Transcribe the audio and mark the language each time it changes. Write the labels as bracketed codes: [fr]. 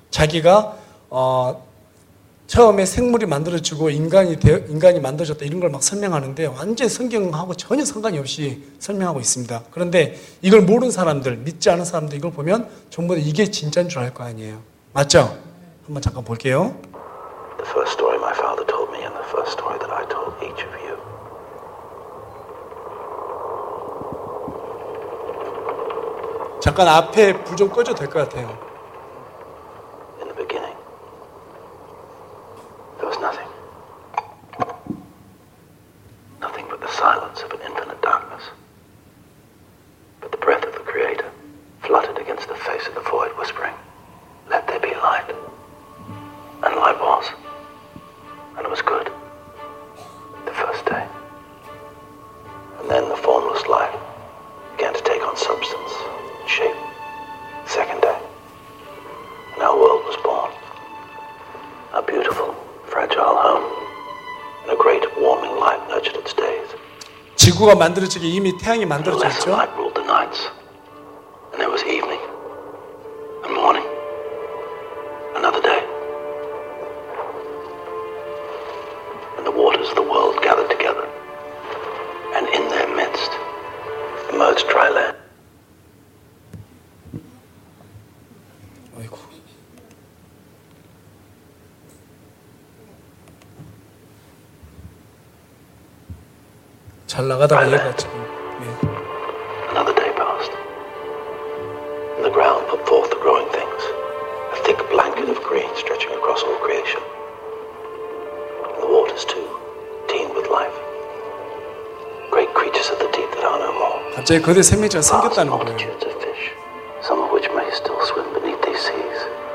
[ko] 자기가 처음에 생물이 만들어지고 인간이 만들어졌다 이런 걸 막 설명하는데 완전히 성경하고 전혀 상관이 없이 설명하고 있습니다. 그런데 이걸 모르는 사람들, 믿지 않은 사람들 이걸 보면 전부 다 이게 진짜인 줄 알 거 아니에요. 맞죠? 한번 잠깐 볼게요. [en] The first story my father told me and the first story that I told each of you. In the beginning, there was nothing. Nothing but the silence of an infinite darkness. But the breath of the Creator fluttered against the face of the void, whispering, "Let there be light." And light was. And it was good. The first day. And then the formless light began to take on substance. Shape. Second day. And our world was born. A beautiful, fragile home. And a great warming light nurtured its days. [ko] 지구가 만들어지기 이미 태양이 만들어졌죠. [en] And a lesser light ruled the nights. And there was evening. And morning. Another day. And the waters of the world gathered together. And in their midst emerged dry land. [ko] 잘 나가다가 얘가 지금 예. [en] Another day passed. And the ground put forth the growing things. A thick blanket of green stretching across all creation. And the waters too teemed with life. Great creatures of the deep that are no more. [ko] 갑자기 거대 생명체가 생겼다는 거예요. [en] Some of which may still swim beneath these seas.